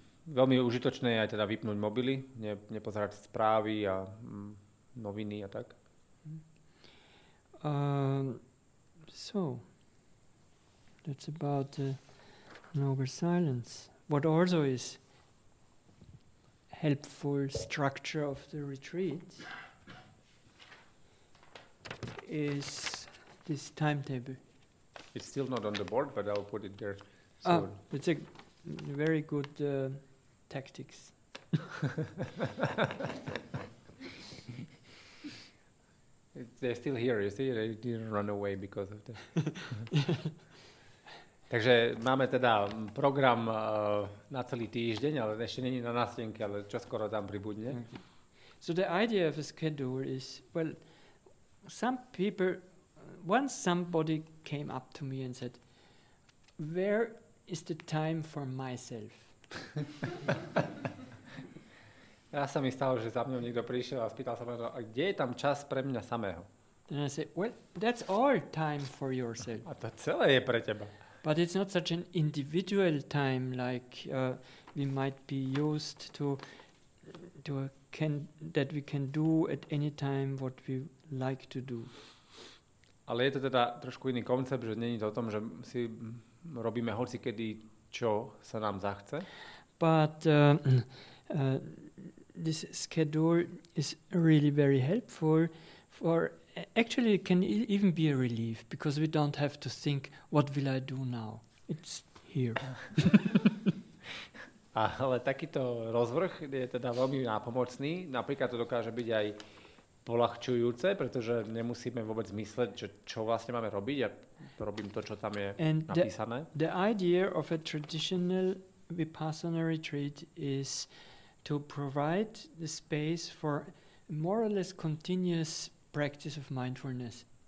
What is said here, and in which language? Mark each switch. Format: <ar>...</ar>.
<sk>Veľmi užitočné je aj teda vypnúť mobily, nepozerať správy a noviny a tak.</sk> <en>So, that's about the noble silence. what also is helpful structure of the retreat is this timetable. It's still not on the board, but I'll put it there. So it's a very good tactics. They're still here, you see, they didn't run away because of that.</en> <sk>Takže máme teda program na celý týždeň, ale ešte není na nástenke, ale čo skoro tam pribudne.</sk> <en>So the idea of a schedule is, well, some people, once somebody came up to me and said, where is the time for myself?</en> <sk>Ja sa mi stalo, že za mňou niekto prišiel a spýtal sa ma, a kde je tam čas pre mňa samého?</sk> <en>And I said, well, that's all time for yourself.</en> <sk>A to celé je pre teba.</sk> <en>But it's not such an individual time like we might be used to can that we can do at any time what we like to do.</en> <sk>Ale je to teda trošku iný koncept, že není to o tom, že si robíme hoci kedy čo sa nám zachce.</sk> <en>But this schedule is really very helpful for actually it can even be a relief because we don't have to think what will I do now, it's here.</en> <sk>Ale takýto rozvrh je teda veľmi nápomocný, napríklad to dokáže byť aj poľahčujúce, pretože nemusíme vôbec mysleť, že čo vlastne máme robiť, ja robím to, čo tam je</sk> <en>and</en> <sk>napísané.</sk> <en>The idea of a traditional Vipassana retreat is to provide the space for more or less continuous practice of mindfulness.</en>